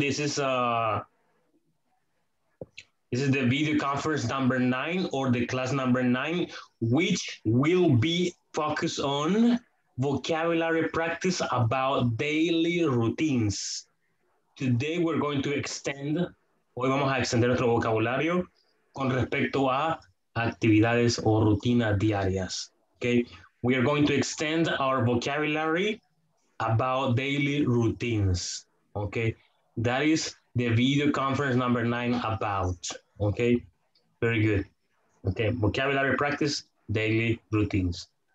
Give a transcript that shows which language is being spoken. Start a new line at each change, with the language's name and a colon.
English: This is the video conference number 9 or the class number 9, which will be focused on vocabulary practice about daily routines. Today, we're going to extend.
Spanish: Hoy vamos a extender nuestro vocabulario con respecto a actividades o rutinas diarias.
English: Okay, we are going to extend our vocabulary about daily routines. Okay, that is the video conference number 9 about. Okay, very good. Okay, vocabulary practice, daily routines.